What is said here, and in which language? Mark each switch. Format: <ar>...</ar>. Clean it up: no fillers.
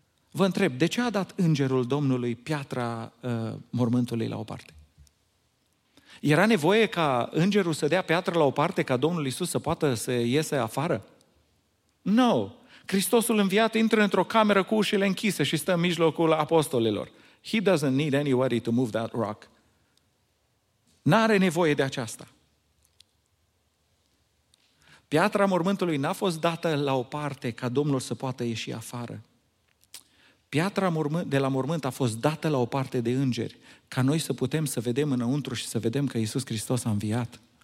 <ro>Vă întreb, de ce a dat Îngerul Domnului piatra mormântului la o parte? Era nevoie ca Îngerul să dea piatra la o parte ca Domnul Iisus să poată să iese afară? Nu! No. Hristosul înviat intră într-o cameră cu ușile închise și stă în mijlocul apostolilor.</ro> <en>He doesn't need anybody to move that rock.</en> <ro>N-are nevoie de aceasta. Piatra mormântului n-a fost dată la o parte ca Domnul să poată ieși afară. Piatra de la mormânt a fost dată la o parte de îngeri ca noi să putem să vedem înăuntru și să vedem că Iisus Hristos a înviat.</ro>